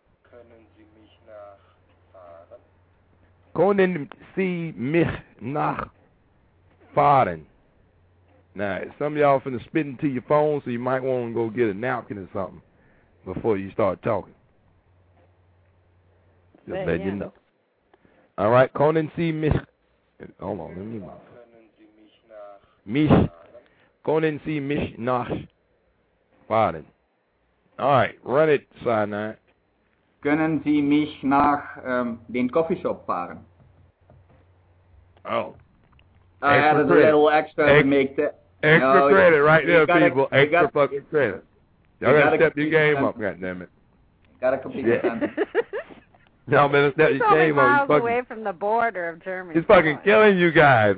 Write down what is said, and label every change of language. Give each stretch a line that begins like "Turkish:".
German: Können Sie mich nachfahren? Können Sie mich nachfahren?
English: Now, some of y'all finna spit into your phone, so you might want to go get a napkin or something before you start talking. Just but let yeah. you know. All right,
German: können Sie mich,
English: hold on, let me move.
German: Mich, können Sie mich nach fahren?
English: All right, run it, Sinai.
German: Können Sie mich nach den Coffee Shop fahren?
English: Oh. I had a little extra to make that. Extra credit right there, people. Extra gotta, fucking credit. Y'all gotta step your game up, goddammit. Gotta compete with them. Y'all better step your game up. He's fucking away from the border of Germany. He's fucking killing you guys.